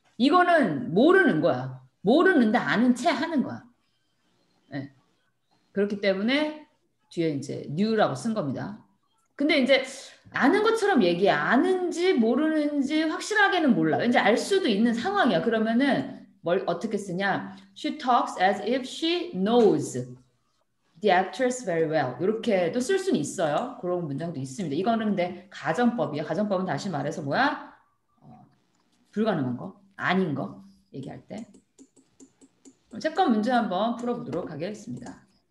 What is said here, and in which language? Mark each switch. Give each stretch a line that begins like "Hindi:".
Korean: 이거는 모르는 거야. 모르는데 아는 채 하는 거야. 그렇기 때문에 뒤에 이제 new라고 쓴 겁니다. 근데 이제 아는 것처럼 얘기 아는지 모르는지 확실하게는 몰라. 이제 알 수도 있는 상황이야. 그러면은 뭘 어떻게 쓰냐?
English: She talks as if she knows the actress very well.
Korean: 이렇게도 쓸 수는 있어요. 그런 문장도 있습니다. 이거는 근데 가정법이야. 가정법은 다시 말해서 뭐야? 불가능한 거, 아닌 거 얘기할 때. 채권 문제 한번 풀어보도록 하겠습니다.